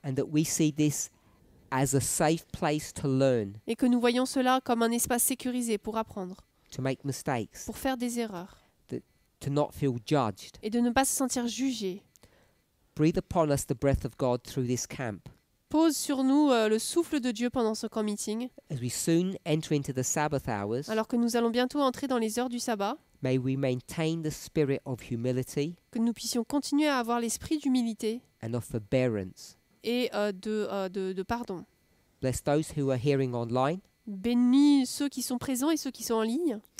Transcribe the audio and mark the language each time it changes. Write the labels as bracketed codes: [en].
[en] And that we see this as a safe place to learn. [fr] Et que nous voyons cela comme un espace sécurisé pour apprendre. [en] To make mistakes. [fr] Pour faire des erreurs. [en] To not feel judged. [fr] Et de ne pas se sentir jugé. [en] Breathe upon us the breath of God through this camp. [fr] Pose sur nous le souffle de Dieu pendant ce camp meeting. [en] As we soon enter into the Sabbath hours. [fr] Alors que nous allons bientôt entrer dans les heures du sabbat. [en] May we maintain the spirit of humility. [fr] Que nous puissions continuer à avoir l'esprit d'humilité. [en] And of forbearance. [fr] Et de pardon. [en] Bless those who are hearing online. [fr] Bénis ceux qui sont présents et ceux qui sont en ligne.